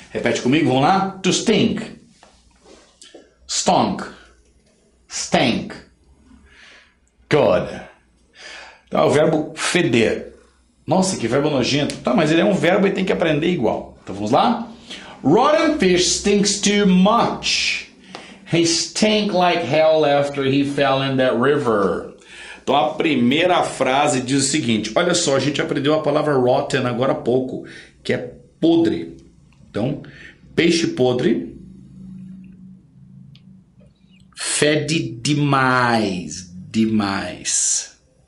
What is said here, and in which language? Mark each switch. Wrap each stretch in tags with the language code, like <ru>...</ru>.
<pt>Repete comigo, vamos lá?</pt> <en>To stink. Stonk. Stank. Good.</en> <pt>Então é o verbo feder. Nossa, que verbo nojento. Tá, mas ele é um verbo e tem que aprender igual. Então vamos lá?</pt> <en>Rotten fish stinks too much. He stank like hell after he fell in that river.</en> <pt>Então a primeira frase diz o seguinte. Olha só, a gente aprendeu a palavra rotten agora há pouco, que é podre. Então, peixe podre fede demais, demais.</pt>